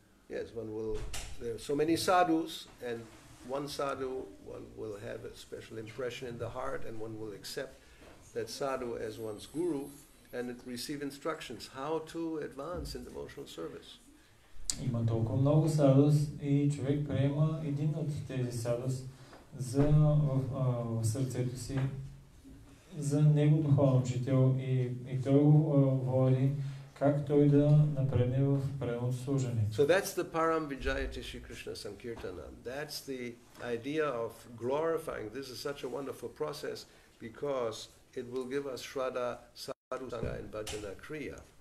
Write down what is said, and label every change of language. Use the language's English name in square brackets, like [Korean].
[English] Yes, one will, there are so many sadhus, and one sadhu, one will have a special impression in the heart, and one will accept that sadhu as one's guru, and receive instructions how to advance in devotional service. [Bulgarian] Има толкова много sadhus, и човек приема един от тези sadhus за в сърцето си, за него духовен учител, и той го води как той да напредне в правилното служение. [English] So that's the Param Vijaya Tishri Krishna Sankirtana. That's the idea of glorifying. This is such a wonderful process because it will give us Shraddha, Sadhu Sangha and Bhajana Kriya.